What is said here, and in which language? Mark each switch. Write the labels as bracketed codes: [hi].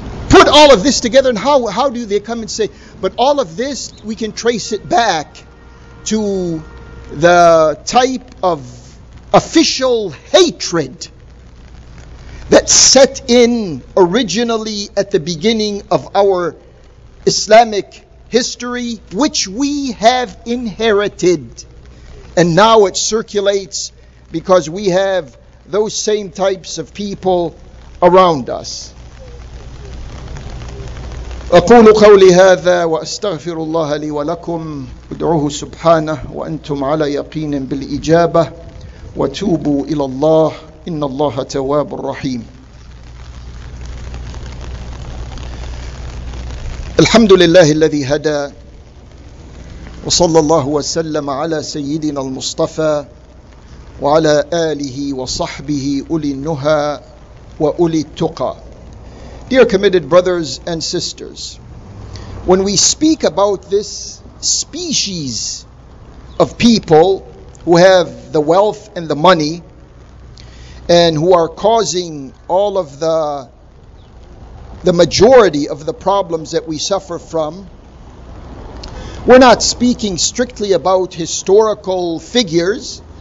[en] Put all of this together, and how do they come and say, but all of this, we can trace it back to the type of official hatred that set in originally at the beginning of our Islamic history, which we have inherited. And now it circulates because we have those same types of people around us. [ar] أقول قولي هذا وأستغفر الله لي ولكم ادعوه سبحانه وأنتم على يقين بالإجابة وتوبوا إلى الله إن الله تواب رحيم الحمد لله الذي هدى وصلى الله وسلم على سيدنا المصطفى وعلى آله وصحبه أولي النهى وأولي التقى. [en] Dear committed brothers and sisters, when we speak about this species of people who have the wealth and the money and who are causing all of the majority of the problems that we suffer from, we're not speaking strictly about historical figures.